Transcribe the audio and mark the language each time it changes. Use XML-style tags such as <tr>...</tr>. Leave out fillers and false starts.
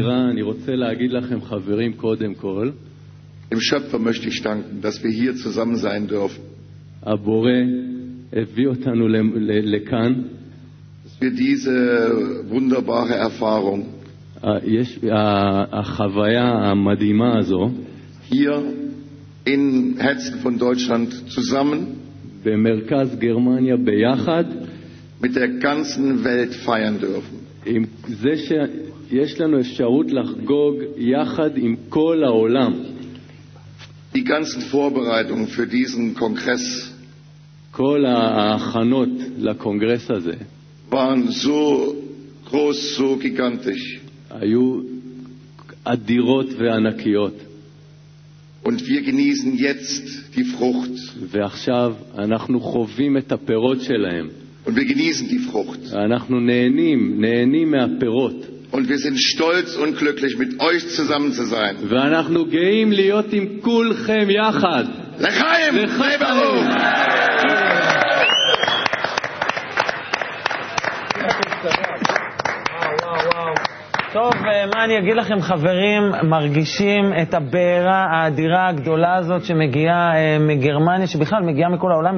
<he>אני רוצה להגיד לכם חברים, קודם כל</he> <de>dem Schöpfer möchte ich danken, dass wir hier zusammen sein dürfen.</de> <he>Abore evotanu lekan.</he> <de>Für diese wunderbare Erfahrung.</de> <he>יש החוויה המדהימה הזו</he> <de>hier in Herzen von Deutschland zusammen</de> <he>במרכז גרמניה ביחד</he> <de>mit der ganzen Welt feiern dürfen.</de> <he>עם זה שיש לנו אפשרות לחגוג יחד עם כל העולם.</he> <de>Die ganzen Vorbereitungen für diesen Kongress,</de> <he>כל ההכנות לקונגרס הזה,</he> <de>waren so groß, so gigantisch.</de> <he>היו אדירות וענקיות.</he> <de>Und wir genießen jetzt die Frucht.</de> <he>ועכשיו אנחנו חווים את הפירות שלהם.</he> <de>Und wir genießen die Frucht.</de> <he>אנחנו נהנים מהפירות.</he> <de>Und wir sind stolz und glücklich mit euch zusammen zu sein.</de> <he>ואנחנו גאים להיות עם כולכם יחד. לחיים! לחיים! טוב, מה אני אגיד לכם, חברים, מרגישים את הבערה האדירה הגדולה הזאת שמגיעה מגרמניה, שבכלל מגיעה מכל העולם.</he>